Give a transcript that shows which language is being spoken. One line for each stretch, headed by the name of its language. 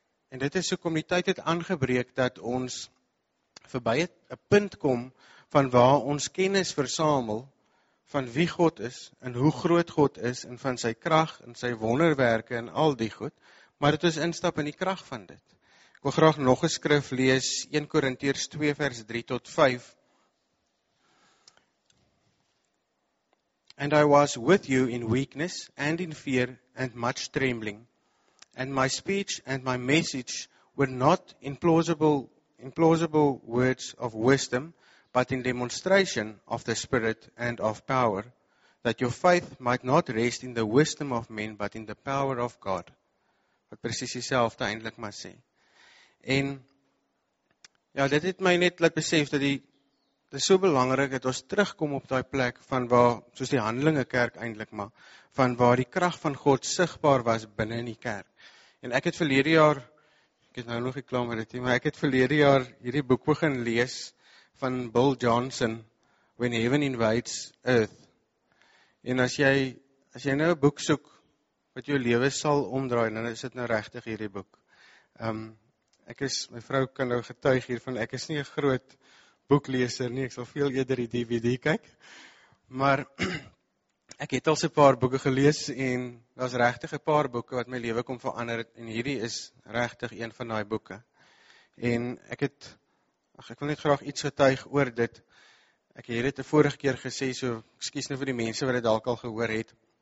Afrikaans: En dit is hoekom die tyd het aangebreek dat ons verby 'n punt kom van waar ons kennis versamel van wie God is en hoe groot God is en van sy krag en sy wonderwerke en al die goed. Maar dit is instap in die krag van dit. Ek wil graag nog 'n skrif lees, 1 Korintiërs 2 vers 3 tot 5.
English: And I was with you in weakness and in fear and much trembling. And my speech and my message were not implausible words of wisdom, but in demonstration of the Spirit and of power, that your faith might not rest in the wisdom of men, but in the power of God.
Afrikaans: Wat presies dieselfde eintlik maar sê. En ja, dit het my net laat besef dat dit is so belangrik dat ons terugkom op daai plek van waar, soos die Handelinge kerk eintlik maar, van waar die krag van God sigbaar was binne in die kerk. En ek het verlede jaar, ek is nou nog nie klaar met dit nie, maar ek het verlede jaar hierdie boek begin lees van Bill Johnson, When Heaven Invades Earth. En as jy nou 'n boek soek wat jou lewe sal omdraai, dan is dit nou regtig hierdie boek. My vrou kan nou getuig hiervan, ek is nie 'n groot boekleser nie, ek sal veel eerder die DVD kyk, maar ek het al so 'n paar boeke gelees en daar is regtig 'n paar boeke wat my lewe kom verander het, en hierdie is regtig een van daai boeke. En ek wil net graag iets getuig oor dit. Ek het dit 'n vorige keer gesê, so ekskuus nou vir die mense wat dit dalk al gehoor het.